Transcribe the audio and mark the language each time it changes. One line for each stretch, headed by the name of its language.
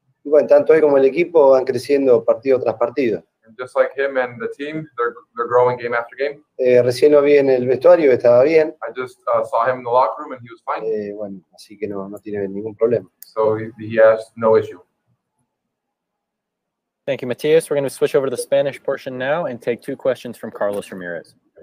Spanish: Y bueno, tanto él como el equipo van creciendo partido tras partido.
English: And just like him and the team, they're growing game after game.
Spanish: Recién lo vi en el vestuario, estaba bien.
English: I just saw him in the locker room and he was fine.
Spanish: Bueno, así que no tiene ningún problema.
English: So he has no issue. Thank you, Matias. We're going to switch over to the Spanish portion now and take two questions from Carlos Ramirez.